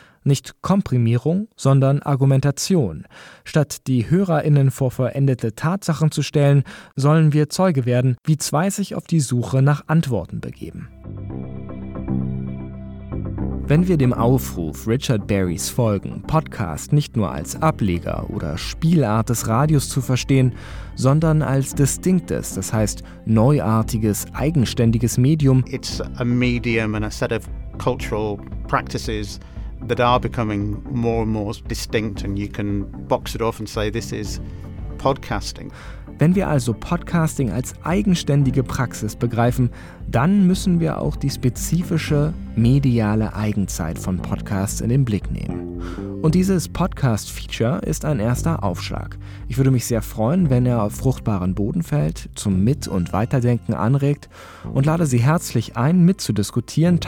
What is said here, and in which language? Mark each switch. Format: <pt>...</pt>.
<de>Nicht Komprimierung, sondern Argumentation. Statt die HörerInnen vor vollendete Tatsachen zu stellen, sollen wir Zeuge werden, wie zwei sich auf die Suche nach Antworten begeben. Wenn wir dem Aufruf Richard Berrys folgen, Podcast nicht nur als Ableger oder Spielart des Radios zu verstehen, sondern als distinktes, das heißt neuartiges, eigenständiges Medium.</de> <en>It's a medium and a set of cultural practices that are becoming more and more distinct and you can box it off and say this is podcasting.</en> <de>Wenn wir also Podcasting als eigenständige Praxis begreifen, dann müssen wir auch die spezifische mediale Eigenzeit von Podcasts in den Blick nehmen. Und dieses Podcast-Feature ist ein erster Aufschlag. Ich würde mich sehr freuen, wenn er auf fruchtbaren Boden fällt, zum Mit- und Weiterdenken anregt und lade Sie herzlich ein, mitzudiskutieren.</de>